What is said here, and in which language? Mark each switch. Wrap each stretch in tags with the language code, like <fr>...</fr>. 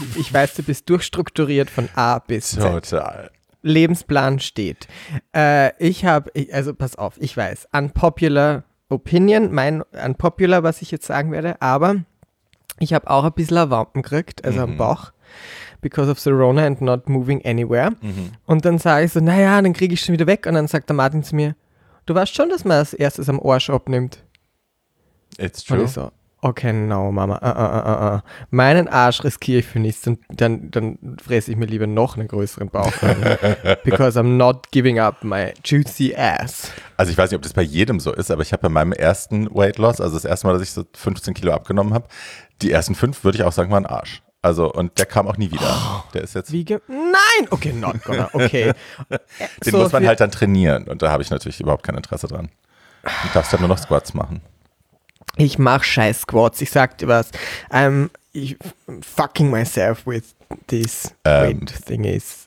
<de>Ich weiß, du bist durchstrukturiert von A bis Z. Total. Lebensplan steht. Ich habe, also pass auf, ich weiß,</de> <en>unpopular opinion,</en> <de>mein unpopular, was ich jetzt sagen werde, aber ich habe auch ein bisschen Wampen gekriegt, also am Bauch.</de> <en>Because of the Rona and not moving anywhere. Mhm.</en> <de>Und dann sage ich so, naja, dann kriege ich schon wieder weg. Und dann sagt der Martin zu mir, du weißt schon, dass man als erstes am Arsch abnimmt.</de> <en>It's true.</en> <de>Und ich so, okay, no, Mama. Meinen Arsch riskiere ich für nichts. Und dann fräse ich mir lieber noch einen größeren Bauch.</de> <en>Because I'm not giving up my juicy ass.</en> <de>Also ich weiß nicht, ob das bei jedem so ist, aber ich habe bei meinem ersten Weight Loss, also das erste Mal, dass ich so 15 Kilo abgenommen habe, die ersten 5, würde ich auch sagen, waren Arsch. Also, und der kam auch nie wieder. Der ist jetzt... Nein!</de> <en>Okay, not gonna. Okay.</en> <de>Den so muss man halt dann trainieren. Und da habe ich natürlich überhaupt kein Interesse dran. Du darfst dann nur noch Squats machen. Ich mache scheiß Squats. Ich sag dir was.</de> <en>I'm fucking myself with this weight thing is...</en>